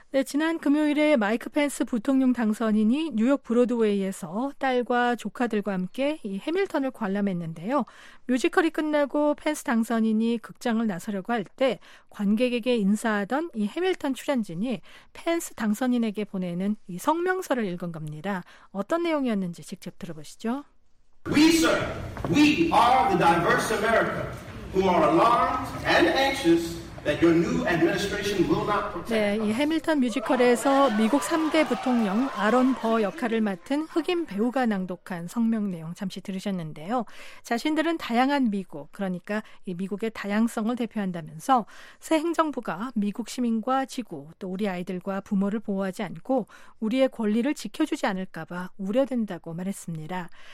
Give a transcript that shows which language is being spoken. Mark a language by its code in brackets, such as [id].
[ko] 네, 지난 금요일에 마이크 펜스 부통령 당선인이 뉴욕 브로드웨이에서 딸과 조카들과 함께 이 해밀턴을 관람 마감했는데요. 뮤지컬이 끝나고 펜스 당선인이 극장을 나서려고 할 때 관객에게 인사하던 이 해밀턴 출연진이 펜스 당선인에게 보내는 이 성명서를 읽은 겁니다. 어떤 내용이었는지 직접 들어보시죠. [en] We, sir, we are the diverse America who are alarmed and anxious. That your new administration will not protect. [ko] 네, 이 해밀턴 뮤지컬에서 미국 3대 부통령 아론 버 역할을 맡은 흑인 배우가 낭독한 성명 내용 잠시 들으셨는데요. 자신들은 다양한 미국, 그러니까 이 미국의 다양성을 대표한다면서 새 행정부가 미국 시민과 지구, 또 우리 아이들과 부모를 보호하지 않고 우리의 권리를 지켜주지 않을까 봐 우려된다고 말했습니다.